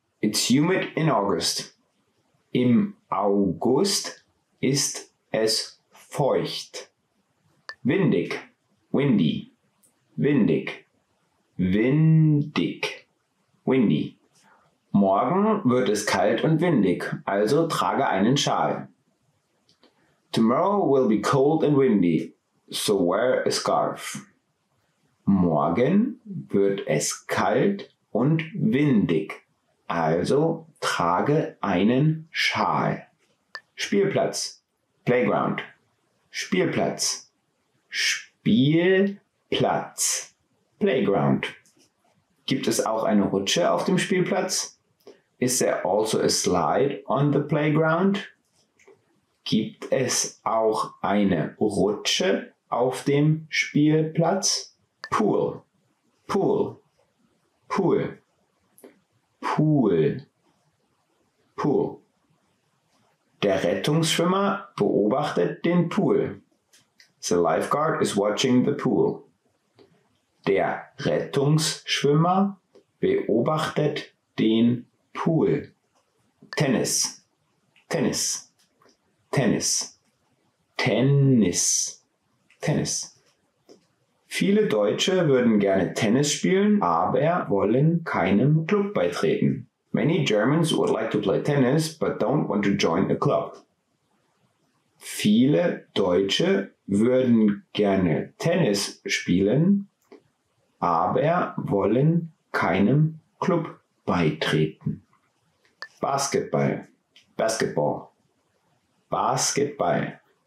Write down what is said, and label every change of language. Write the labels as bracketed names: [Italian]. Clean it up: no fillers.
[English] It's humid in August. [German] Im August ist es feucht. Windig. Windy. Windig. Windig. Windy. Morgen wird es kalt und windig, also trage einen Schal. [English] Tomorrow will be cold and windy, so wear a scarf. [German] Morgen wird es kalt und windig, also trage einen Schal. Spielplatz, Playground. Spielplatz, Spielplatz, Playground. Gibt es auch eine Rutsche auf dem Spielplatz? [English] Is there also a slide on the playground? [German] Gibt es auch eine Rutsche auf dem Spielplatz? Pool. Pool. Pool. Pool. Pool. Der Rettungsschwimmer beobachtet den Pool. [English] The lifeguard is watching the pool. [German] Der Rettungsschwimmer beobachtet den Pool. Tennis. Tennis. Tennis. Tennis. Tennis. Viele Deutsche würden gerne Tennis spielen, aber wollen keinem Club beitreten. [English] Many Germans would like to play tennis, but don't want to join a club. [German] Viele Deutsche würden gerne Tennis spielen, aber wollen keinem Club beitreten. Basketball. Basketball. Basketball.